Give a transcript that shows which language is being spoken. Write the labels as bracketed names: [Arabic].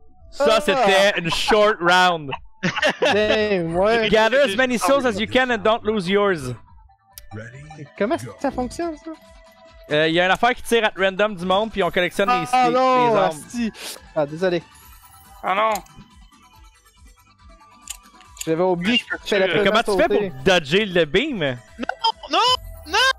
[French] Ça, c'était une short round. Damn, ouais. [English] Gather as many souls as you can and don't lose yours. [French] Comment ça fonctionne, ça? Y'a une affaire qui tire à random du monde, puis on collectionne ah, les armes. Ah non, les asti. Ah, désolé. Ah non. J'avais oublié que tu fais la. Comment tu fais pour dodger le beam? Non, non, non!